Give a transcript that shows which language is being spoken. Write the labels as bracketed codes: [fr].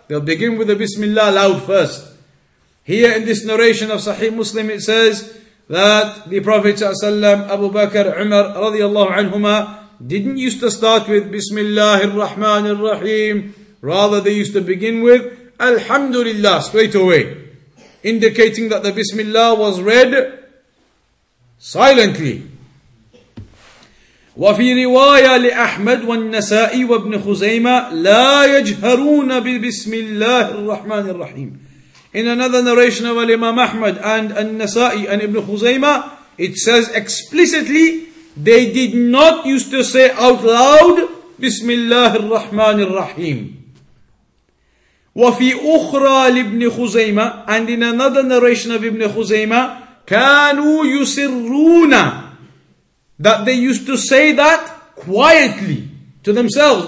[en] They'll begin with the Bismillah loud first. Here in this narration of Sahih Muslim, it says that the Prophet ﷺ, Abu Bakr, Umar radiallahu anhuma, didn't used to start with Bismillah ar-Rahman ar-Rahim. Rather, they used to begin with Alhamdulillah straight away, indicating that the Bismillah was read silently. [ar] وفي رواية لأحمد والنسائي وابن خزيمة لا يجهرون ببسم الله الرحمن الرحيم. [en] In another narration of Imam Ahmad and النسائي and Ibn Khuzaymah, it says explicitly they did not used to say out loud [ar] بسم الله الرحمن الرحيم. وفي أخرى لابن خزيمة, [en] and in another narration of Ibn Khuzaymah, [ar] كانوا يسرون, [en] that they used to say that quietly to themselves.